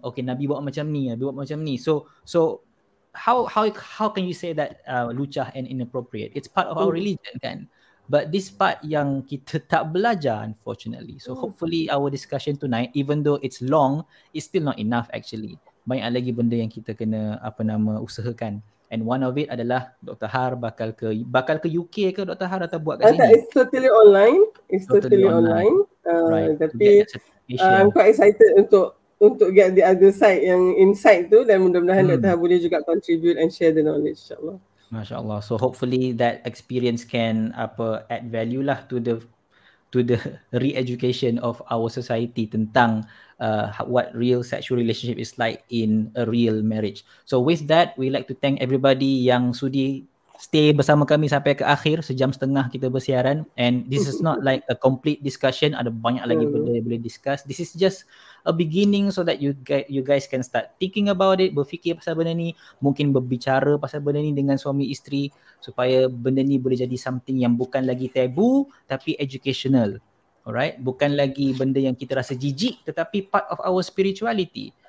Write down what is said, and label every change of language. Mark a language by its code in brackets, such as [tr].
[en] Okay, [ms] Nabi buat macam ni, [en] Nabi buat macam ni. So so How can you say that lucah and inappropriate? It's part of our religion kan. But this part [ms] yang kita tak belajar [en] unfortunately. So hopefully our discussion tonight, even though it's long, it's still not enough actually. [ms] Banyak lagi benda yang kita kena apa nama usahakan. [en] And one of it [ms] adalah Dr. Har bakal ke, bakal ke UK ke Dr. Har atau buat kat sini? [en] It's totally online. It's totally online. Tapi I'm quite excited untuk untuk get the other side yang inside tu, [ms] dan mudah-mudahan [en] Dr. Har [ms] boleh juga [en] contribute and share the knowledge, insyaAllah. [ms] MasyaAllah. [en] So hopefully that experience can apa add value lah to the re-education of our society [ms] tentang [en] what real sexual relationship is like in a real marriage. So with that, we like to thank everybody [ms] yang sudi stay bersama kami sampai ke akhir, sejam setengah kita bersiaran. [en] And this is not like a complete discussion. [ms] Ada banyak lagi benda yang boleh discuss. [en] This is just a beginning so that you guys can start thinking about it, [ms] berfikir pasal benda ni, mungkin berbicara pasal benda ni dengan suami isteri supaya benda ni boleh jadi something yang bukan lagi tabu tapi educational. Alright, bukan lagi benda yang kita rasa jijik tetapi [en] part of our spirituality.